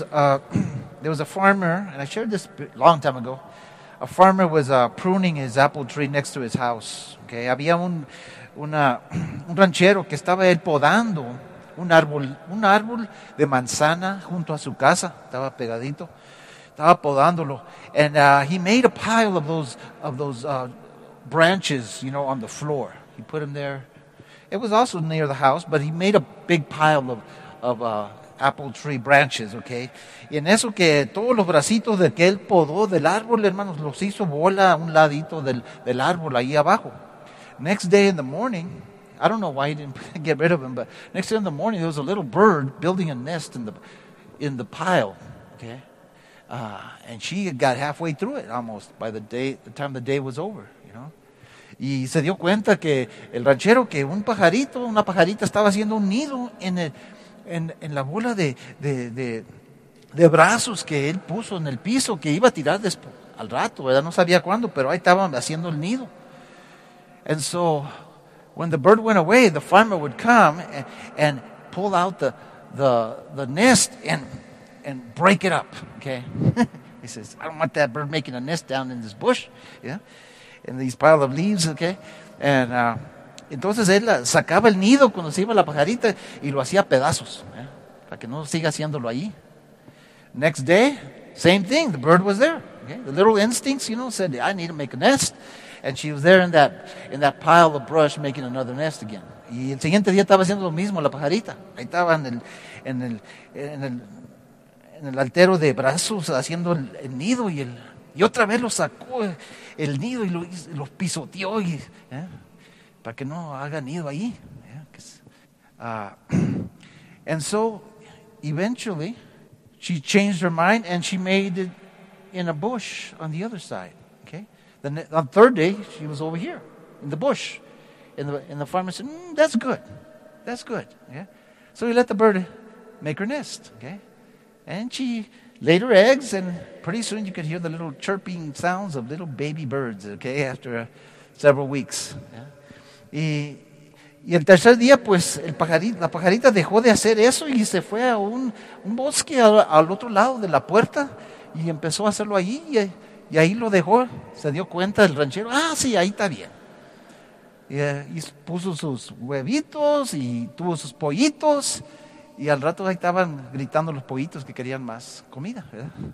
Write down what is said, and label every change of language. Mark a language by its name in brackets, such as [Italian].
[English] There was a farmer, and I shared this a long time ago. A farmer was pruning his apple tree next to his house. [Spanish] Okay, había un ranchero que estaba él podando un árbol de manzana junto a su casa. Estaba pegadito. Estaba podándolo. [English] And he made a pile of those branches, you know, on the floor. He put them there. It was also near the house, but he made a big pile of apple tree branches, okay? [Spanish] Y en eso que todos los bracitos de que él podó del árbol, hermanos, los hizo bola a un ladito del árbol ahí abajo. [English] Next day in the morning, I don't know why he didn't get rid of him, but next day in the morning, there was a little bird building a nest in the pile, okay? And she got halfway through it almost by the time the day was over, you know? [Spanish] Y se dio cuenta que el ranchero que un pajarito, una pajarita estaba haciendo un nido en la bola de brazos que él puso en el piso, que iba a tirar después, al rato, ¿verdad? No sabía cuándo, pero ahí estaba haciendo el nido. [English] And so, when the bird went away, the farmer would come and pull out the nest and break it up, okay? He says, I don't want that bird making a nest down in this bush, yeah? In these pile of leaves, okay? [Spanish] And entonces él sacaba el nido cuando se iba la pajarita y lo hacía pedazos, ¿eh? Para que no siga haciéndolo ahí. [English] Next day, same thing, the bird was there. Okay? The little instincts, you know, said, I need to make a nest. And she was there in that pile of brush making another nest again. [Spanish] Y el siguiente día estaba haciendo lo mismo la pajarita. Ahí estaba en el altero de brazos haciendo el nido y otra vez lo sacó el nido y lo pisoteó y, ¿eh? Para que no haga nido ahí. [English] And so, eventually, she changed her mind and she made it in a bush on the other side. Okay. On the third day, she was over here in the bush. And the farmer said, that's good. That's good. Okay? So he let the bird make her nest. Okay. And she laid her eggs and pretty soon you could hear the little chirping sounds of little baby birds, okay, after several weeks. Yeah. [Spanish] Y el tercer día, pues, la pajarita dejó de hacer eso y se fue a un bosque al otro lado de la puerta y empezó a hacerlo allí y ahí lo dejó. Se dio cuenta el ranchero, sí, ahí está bien. Y puso sus huevitos y tuvo sus pollitos y al rato ahí estaban gritando los pollitos que querían más comida, ¿verdad?